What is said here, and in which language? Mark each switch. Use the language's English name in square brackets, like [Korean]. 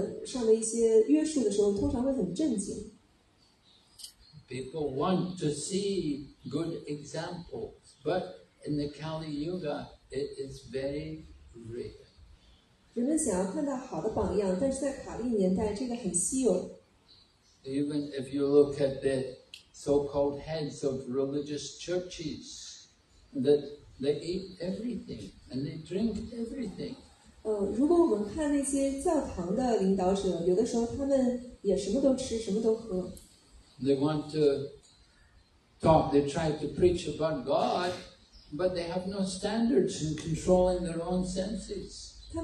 [Chinese] 因此当人们听到一些统治者或者政治家他们私人的生活，他们道德规范上的一些约束的时候，通常会很震惊。 [English] People want to see good examples, but in the Kali Yuga, it is very rare. [Chinese] 人们想要看到好的榜样，但是在卡利年代，这个很稀有。 [English] Even if you look at the so-called heads of religious churches, that they eat everything and they drink everything. [Chinese] 如果我们看那些教堂的领导者，有的时候他们也什么都吃，什么都喝。 [English] They want to talk, they try to preach about God, but they have no standards in controlling their own senses.